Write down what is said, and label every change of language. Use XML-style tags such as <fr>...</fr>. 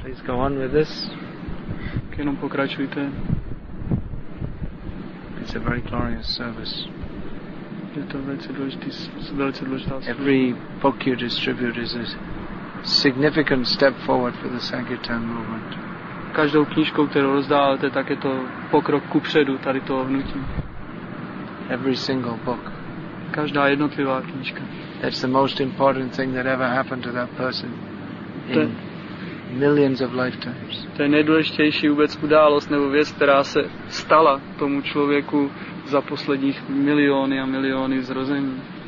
<en>Please go on with this.</en> <cs>Jenom pokračujte.</cs> <en>It's a very glorious service.</en> <cs>Je to velice důležitá služba.</cs> <en>Every book you distribute is a significant step forward for the Sankirtan movement.</en> <cs>Každou knížkou, kterou rozdáváte, tak je to pokrok kupředu tady toho hnutí.</cs> <en>Every single book.</en> <cs>Každá jednotlivá knížka.</cs> <en>That's the most important thing that ever happened to that person. millions of lifetimes.</en> <cs>To je nejdůležitější vůbec událost nebo věc, která se stala tomu člověku za posledních miliony a miliony zrození.</cs>